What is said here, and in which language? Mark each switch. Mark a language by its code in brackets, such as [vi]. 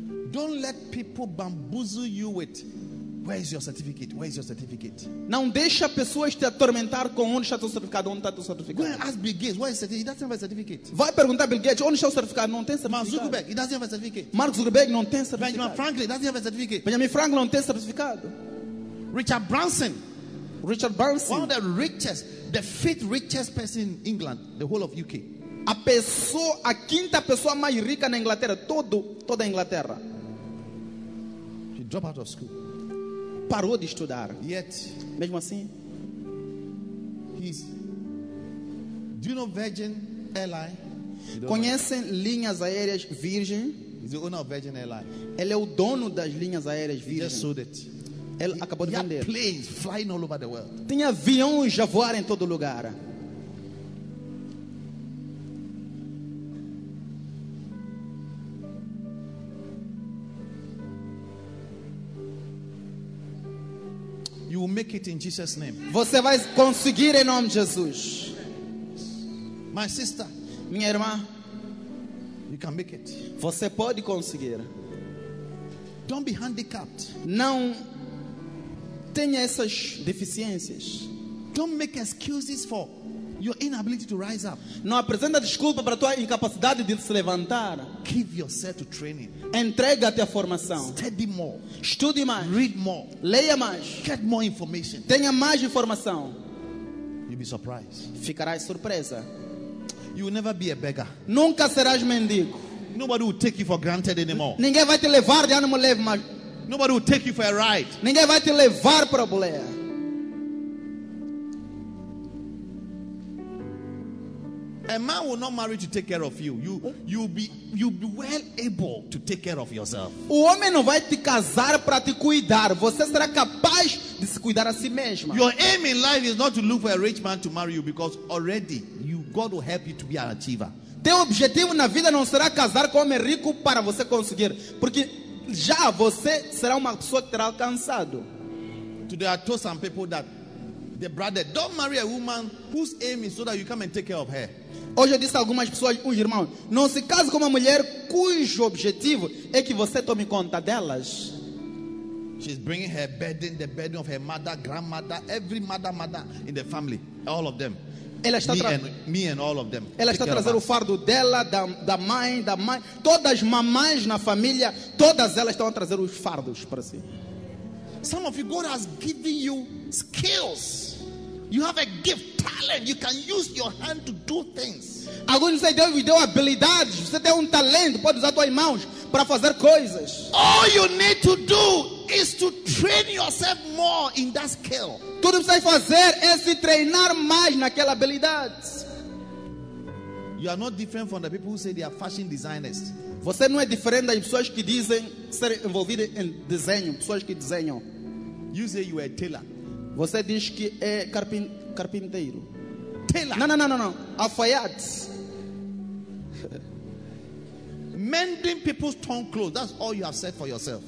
[en] Don't let people bamboozle you with, where is your certificate? Where is your certificate? [pt] Não deixa pessoas te atormentar com onde está o certificado, onde está o certificado. [en] Go and ask Bill Gates, where is certificate? He doesn't have a certificate. [pt] Vai perguntar Bill Gates, onde está o certificado? Não tem certificado. [en] Mark Zuckerberg, he doesn't have a certificate. [pt] Mark Zuckerberg não tem certificado. [en] Benjamin Franklin doesn't have a certificate. [pt] Benjamin Franklin não tem certificado. [en] Richard Branson. Richard Branson. One of the richest, the fifth richest person in England, the whole of UK. [pt] A pessoa, a quinta pessoa mais rica na Inglaterra, toda a Inglaterra. [en] He dropped out of school. [pt] Parou de estudar. [en] Yet, [pt] mesmo assim, [en] do you know Virgin Airline? [pt] Conhecem linhas aéreas Virgin? [en] He's the owner of Virgin Airline. [pt] Ele é o dono das linhas aéreas Virgin. [en] He just sold it. [pt] Ele acabou de vender. [en] He had planes flying all over the world. [pt] Tem aviões a voar em todo lugar. [en] You will make it in Jesus' name. [pt] Você vai conseguir em nome de Jesus. [en] My sister, [pt] minha irmã, [en] you can make it. [pt] Você pode conseguir. [en] Don't be handicapped. [pt] Não tenha essas deficiências. [en] Don't make excuses for your inability to rise up. [pt] Não apresenta desculpa para tua incapacidade de se levantar. [en] Give yourself to training. [pt] Entrega-te à formação. [en] Study more. [pt] Estude mais. [en] Read more. [pt] Leia mais. [en] Get more information. [pt] Tenha mais informação. [en] You'll be surprised. [pt] Ficarás surpresa. [en] You will never be a beggar. [pt] Nunca serás mendigo. [en] Nobody will take you for granted anymore. [pt] Ninguém vai te levar de ânimo leve mais. [en] Nobody will take you for a ride. [pt] Ninguém vai te levar para boleia. [en] A man will not marry to take care of you. You'll be well able to take care of yourself. [pt] O homem não vai te casar para te cuidar. Você será capaz de se cuidar a si mesma. [en] Your aim in life is not to look for a rich man to marry you, because already you, God will help you to be an achiever. [pt] Teu objetivo na vida não será casar com homem rico para você conseguir, porque já você será uma pessoa que terá alcançado. [en] Today I told some people that the brother, don't marry a woman whose aim is so that you come and take care of her. [pt] Hoje eu disse a algumas pessoas, um irmão, não se case com uma mulher cujo objetivo é que você tome conta delas. [en] She's bringing her burden, the burden of her mother, grandmother, every mother in the family, all of them. [pt] Ela está [en] me and all of them. [pt] Ela está trazendo o fardo dela, da mãe, todas as mamães na família, todas elas estão a trazer os fardos para si. [en] Some of you, God has given you skills. You have a gift, talent. You can use your hand to do things. [pt] Alguns dizem, Deus lhe deu habilidades. Você tem talento, pode usar suas mãos para fazer coisas. [en] All you need to do is to train yourself more in that skill. [pt] Tudo que você precisa fazer é se treinar mais naquela habilidade. [en] You are not different from the people who say they are fashion designers. [pt] Você não é diferente das pessoas que dizem ser envolvido em desenho, pessoas que desenham. [en] You say you are a tailor. [pt] Você diz que é carpinteiro. [en] Tailor. [pt] Não. Alfaiate. [en] Mending people's torn clothes. That's all you have said for yourself.